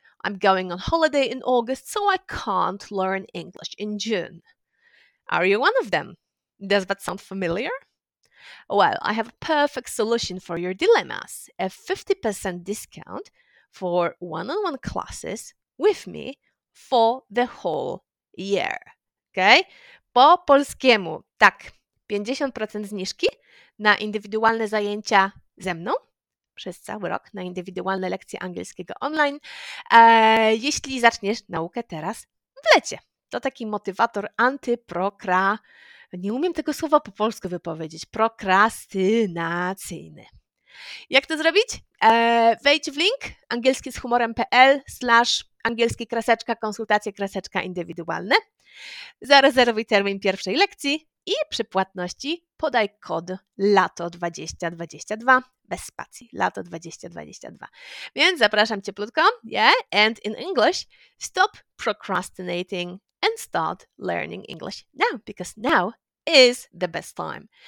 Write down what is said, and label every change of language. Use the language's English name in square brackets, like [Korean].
[English] I'm going on holiday in August, so I can't learn English in June. Are you one of them? Does that sound familiar? Well, I have a perfect solution for your dilemmas. A 50% discount for one-on-one classes with me for the whole year, okay? [Polish] Po polskiemu, tak, 50% zniżki na indywidualne zajęcia ze mną przez cały rok, na indywidualne lekcje angielskiego online, jeśli zaczniesz naukę teraz w lecie. To taki motywator antyprokra, nie umiem tego słowa po polsku wypowiedzieć, prokrastynacyjny. Jak to zrobić? Wejdź w link angielskizhumorem.pl/angielski-konsultacje-indywidualne. Zarezerwuj termin pierwszej lekcji i przy płatności podaj kod LATO2022. Bez spacji. LATO2022. Więc zapraszam cieplutko. [English] Yeah? And in English, stop procrastinating and start learning English now, because now is the best time.